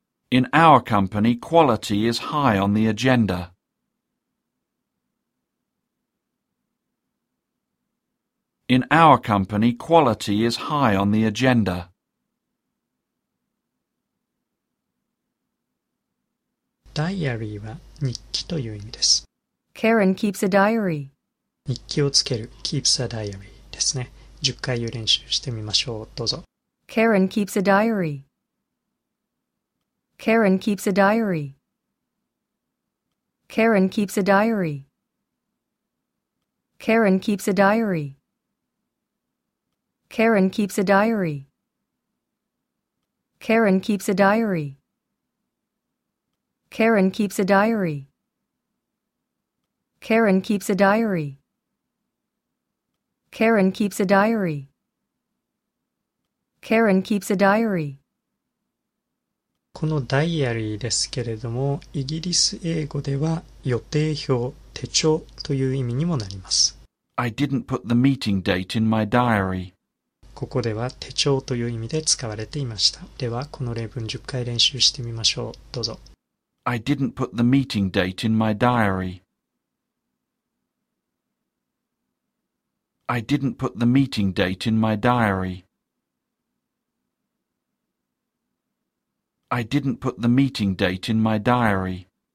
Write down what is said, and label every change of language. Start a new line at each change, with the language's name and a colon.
English: In our company, quality is high on the agenda. In our company, quality is high on the agenda.
Japanese: Diary は日記という意味です。
English: Karen keeps a diary.
Japanese: 日記をつける、
English: keeps a diary
Japanese: ですね。10回を練習してみましょう。どうぞ。
English: Karen keeps a diary. Karen keeps a diary. Karen keeps a diary. Karen keeps a diary. Karen keeps a diary. Karen keeps a diary. Karen keeps a diary. Karen keeps a diary. Karen keeps a diary. Karen keeps a diary.
Japanese: このダイアリーですけれども、イギリス英語では予定表、手帳という意味にもなります。
English: I didn't put the meeting date in my diary.
Japanese: ここでは手帳という意味で使われていました。ではこの例文10回練習してみましょう。どうぞ。
English: I didn't put the meeting date in my diary. I didn't put the meeting date in my diary. I didn't put the meeting date in my diary.